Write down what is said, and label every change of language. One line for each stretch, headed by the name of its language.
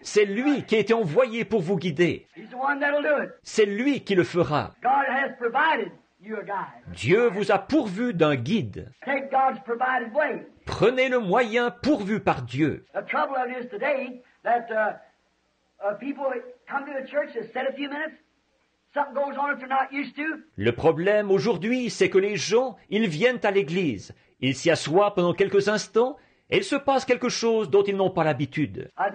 French: C'est lui qui a été envoyé pour vous guider.
English: He's the one that'll do it.
French: C'est lui qui le fera.
English: God has provided you a guide.
French: Dieu vous a pourvu d'un guide.
English: Take God's provided way.
French: Prenez le moyen pourvu par Dieu.
English: The trouble of it is today that people come to the church and sit a few minutes. Something goes on if they're not used to.
French: Le problème aujourd'hui, c'est que les gens, ils viennent à l'église. Ils s'y assoient pendant quelques instants et il se passe quelque chose dont ils n'ont pas l'habitude.